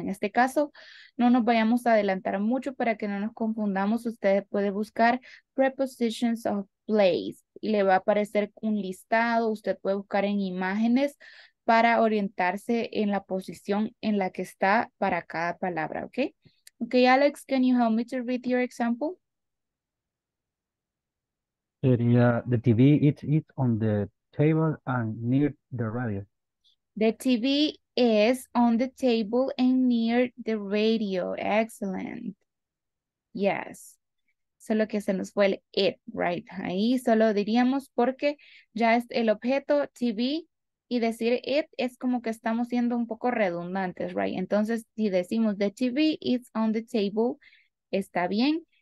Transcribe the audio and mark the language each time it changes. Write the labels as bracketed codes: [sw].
[es] En este caso, no nos vayamos a adelantar mucho para que no nos confundamos. Ustedes pueden buscar prepositions of place y le va a aparecer un listado. Usted puede buscar en imágenes para orientarse en la posición en la que está para cada palabra, ¿ok? [en] Ok, Alex, can you help me to read your example? [es] Sería [en] the TV, it's on the table and near the radio. The TV is on the table and near the radio. Excellent. Yes. [es] Solo que se nos fue el it, [en] right? [es] Ahí solo diríamos porque ya es el objeto TV y decir it es como que estamos siendo un poco redundantes, right? Entonces, si decimos [en] the TV is on the table, [es] está bien.